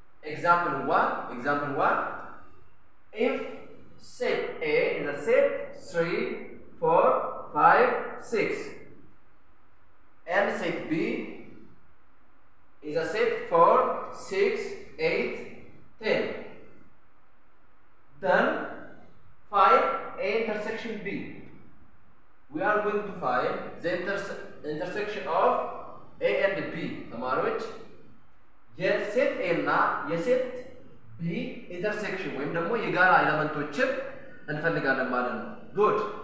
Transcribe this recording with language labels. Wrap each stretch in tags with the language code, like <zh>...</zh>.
<en>ኤግዛምፕል ዋን ኢፍ ሴት ኤ ኢን ዘ ሴት 3 4 5 6 ኤንድ ሴት ቢ ኢን ዘ ሴት 4 6 8 10 then find A intersection B. We are going to find the intersection of A and B.</en> <am>ተማሪዎች የሴት A እና የሴት B intersection ወይም ደግሞ የጋራ ኤለመንቶችን እንፈልጋለን ማለት ነው። Good.</am>